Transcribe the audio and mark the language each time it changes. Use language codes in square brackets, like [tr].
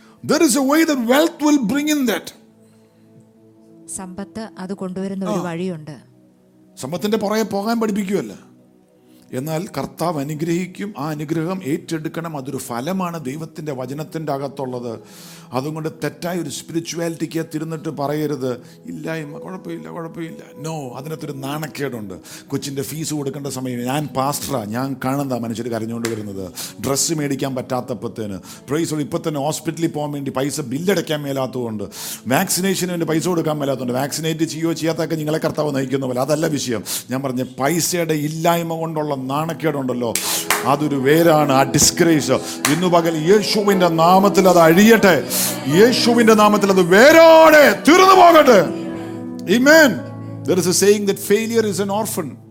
[en] There is a way that wealth will bring in that. [ml] സമ്പത്ത് അത് കൊണ്ടുവരുന്ന ഒരു വഴിയുണ്ട്. സമ്പത്തിന്റെ പുറകെ പോകാൻ പഠിപ്പിക്കുകയല്ല, എന്നാൽ കർത്താവ് അനുഗ്രഹിക്കും, ആ അനുഗ്രഹം ഏറ്റെടുക്കണം. അതൊരു ഫലമാണ് ദൈവത്തിന്റെ വചനത്തിന്റെ അകത്തുള്ളത്. അതുകൊണ്ട് തെറ്റായ ഒരു സ്പിരിച്വാലിറ്റിക്ക് തിരുന്നിട്ട് പറയരുത് ഇല്ലായ്മ, കുഴപ്പമില്ല കുഴപ്പമില്ല. നോ, അതിനകത്തൊരു നാണക്കേടുണ്ട്. കൊച്ചിൻ്റെ ഫീസ് കൊടുക്കേണ്ട സമയം, ഞാൻ പാസ്റ്ററാണ്, ഞാൻ കാണുന്നതാ മനുഷ്യർ കരഞ്ഞുകൊണ്ട് വരുന്നത്, ഡ്രസ്സ് മേടിക്കാൻ പറ്റാത്തപ്പത്തേന്, പ്രൈസ് ഇപ്പം തന്നെ ഹോസ്പിറ്റലിൽ പോകാൻ വേണ്ടി പൈസ ബില്ലടയ്ക്കാൻ മേലാത്തതുകൊണ്ട്, വാക്സിനേഷന് വേണ്ടി പൈസ കൊടുക്കാൻ മേലാത്തതുകൊണ്ട്. വാക്സിനേറ്റ് ചെയ്യോ ചെയ്യാത്തൊക്കെ നിങ്ങളെ കർത്താവ് നയിക്കുന്ന പോലെ, അതല്ല വിഷയം. ഞാൻ പറഞ്ഞ പൈസയുടെ ഇല്ലായ്മ കൊണ്ടുള്ള നാണക്കേടുണ്ടല്ലോ, അതൊരു വേരാണ്, ആ ഡിസ്ഗ്രേസ്. ഇന്ന് പകൽ യേശുവിൻ്റെ നാമത്തിൽ അത് അഴിയട്ടെ, യേശുവിൻ്റെ നാമത്തിൽ അത് വേരോടെ തീർന്നു പോകട്ടെ. ആമേൻ. [en] There is a saying that failure is an orphan.